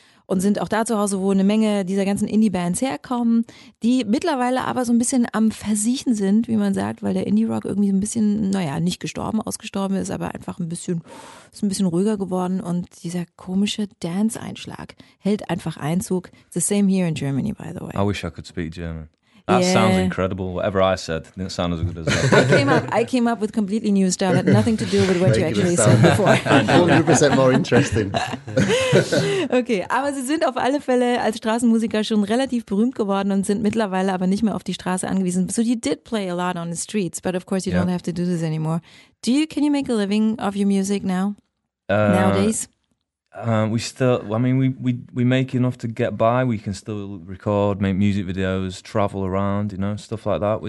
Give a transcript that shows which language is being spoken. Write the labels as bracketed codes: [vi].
[de] Und sind auch da zu Hause, wo eine Menge dieser ganzen Indie-Bands herkommen, die mittlerweile aber so ein bisschen am Versiechen sind, wie man sagt, weil der Indie-Rock irgendwie so ein bisschen, naja, nicht gestorben, ausgestorben ist, aber einfach ist ein bisschen ruhiger geworden. Und dieser komische Dance-Einschlag hält einfach Einzug. [en] The same here in Germany, by the way. I wish I could speak German. That sounds incredible. Whatever I said didn't sound as good as that. I came up with completely new stuff that had nothing to do with what Making you actually said before. 100% more interesting. [de] Okay, aber Sie sind auf alle Fälle als Straßenmusiker schon relativ berühmt geworden und sind mittlerweile aber nicht mehr auf die Straße angewiesen. [en] So you did play a lot on the streets, but of course you don't have to do this anymore. Can you make a living of your music now? Nowadays? We make enough to get by. We can still record, make music videos, travel around, you know, stuff like that.